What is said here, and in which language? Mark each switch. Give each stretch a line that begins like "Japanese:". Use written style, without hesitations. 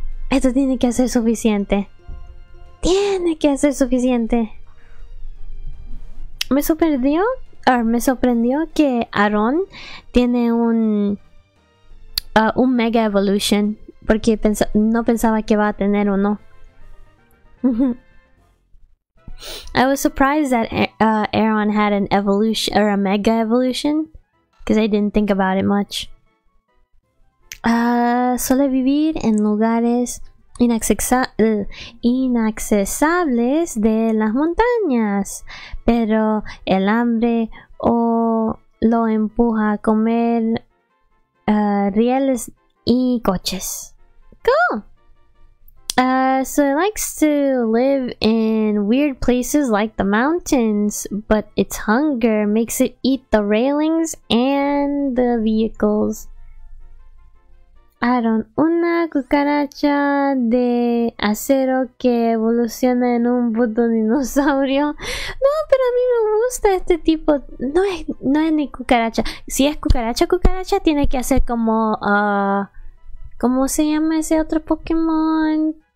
Spanish: Esto tiene que ser suficiente. Tiene que ser suficiente. Me sorprendió que Aaron tiene un Mega Evolution, porque no pensaba que va a tener uno.
English: I was surprised that Aaron had an evolution or a Mega Evolution, because I didn't think about it much.
Spanish: Suele vivir en lugares inaccesables de las montañas, pero el hambre lo empuja a comer rieles y coches.
English: Cool. So it likes to live in weird places like the mountains, but its hunger makes it eat the railings and the vehicles.
Spanish: Aaron, una cucaracha de acero que evoluciona en un puto dinosaurio. No, pero a mí me gusta este tipo. No es ni cucaracha. Si es cucaracha, cucaracha, tiene que hacer como... ¿cómo se llama ese otro Pokémon?